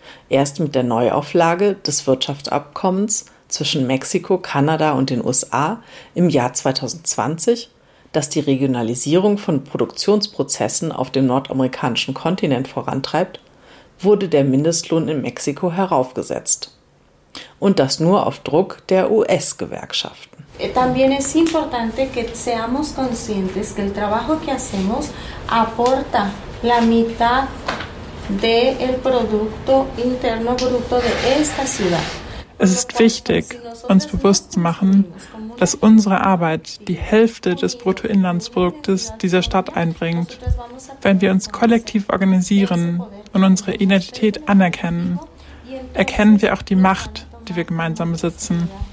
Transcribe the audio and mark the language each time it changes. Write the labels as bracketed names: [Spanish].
[German] Erst mit der Neuauflage des Wirtschaftsabkommens zwischen Mexiko, Kanada und den USA im Jahr 2020, das die Regionalisierung von Produktionsprozessen auf dem nordamerikanischen Kontinent vorantreibt, wurde der Mindestlohn in Mexiko heraufgesetzt. Und das nur auf Druck der US-Gewerkschaften. [Spanish] También es importante que seamos conscientes que el trabajo que hacemos aporta la mitad del producto interno bruto de esta ciudad. [German] Es ist wichtig, uns bewusst zu machen, dass unsere Arbeit die Hälfte des Bruttoinlandsproduktes dieser Stadt einbringt. Wenn wir uns kollektiv organisieren und unsere Identität anerkennen, erkennen wir auch die Macht, die wir gemeinsam besitzen.